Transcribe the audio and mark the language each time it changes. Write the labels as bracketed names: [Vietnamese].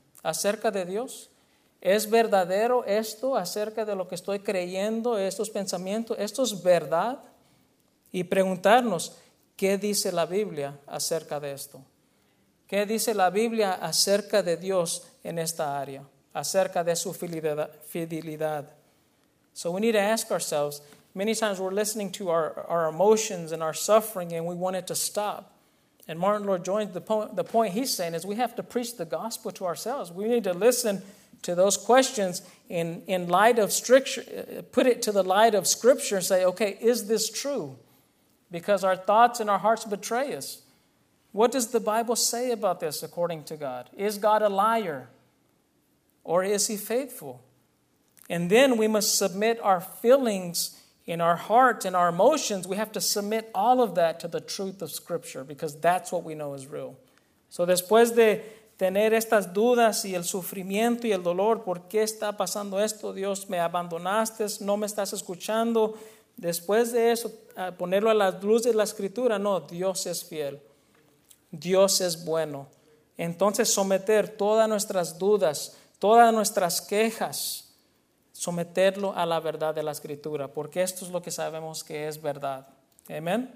[Spanish] acerca de Dios? ¿Es verdadero esto acerca de lo que estoy creyendo, estos pensamientos? ¿Esto es verdad? Y preguntarnos, ¿qué dice la Biblia acerca de esto? ¿Qué dice la Biblia acerca de Dios en esta área? Acerca de su fidelidad. [English] So we need to ask ourselves, many times we're listening to our emotions and our suffering and we want it to stop. And Martin Lloyd joins the point he's saying is we have to preach the gospel to ourselves. We need to listen to those questions in light of Scripture, put it to the light of Scripture and say, okay, is this true? Because our thoughts and our hearts betray us. What does the Bible say about this according to God? Is God a liar? Or is he faithful? And then we must submit our feelings in our hearts and our emotions. We have to submit all of that to the truth of Scripture because that's what we know is real. [Spanish] So después de tener estas dudas y el sufrimiento y el dolor, ¿por qué está pasando esto? Dios, me abandonaste, no me estás escuchando. Después de eso, ponerlo a la luz de la Escritura, no, Dios es fiel. Dios es bueno. Entonces someter todas nuestras dudas, todas nuestras quejas, someterlo a la verdad de la Escritura, porque esto es lo que sabemos que es verdad. ¿Amén?